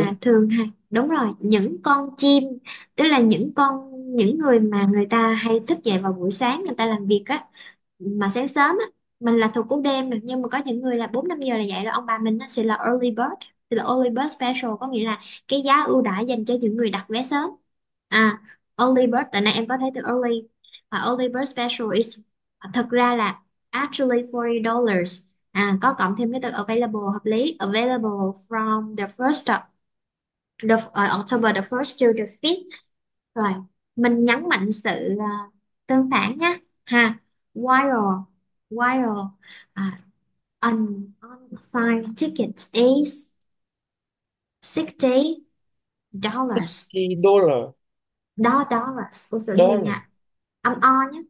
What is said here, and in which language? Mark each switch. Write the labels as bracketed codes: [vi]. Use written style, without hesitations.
[vi] mà thường hay, đúng rồi, những con chim, tức là những người mà người ta hay thức dậy vào buổi sáng, người ta làm việc á mà sáng sớm á, mình là thuộc cú đêm, nhưng mà có những người là 4 5 giờ là dậy rồi, ông bà mình nó sẽ là early bird. Thì là early bird special có nghĩa là cái giá ưu đãi dành cho những người đặt vé sớm. À, early bird, tại này em có thấy từ early. [en] Early bird special is [vi] thật ra là [en] actually [vi] $40. À, có cộng thêm cái từ available hợp lý. [en] Available from the first October the 1st to the 5th. [vi] Rồi, mình nhấn mạnh sự tương phản nhé. [en] Ha, while an on-site ticket is $60. $60 [vi] Đó, sự nhiều nha. Âm o nhé.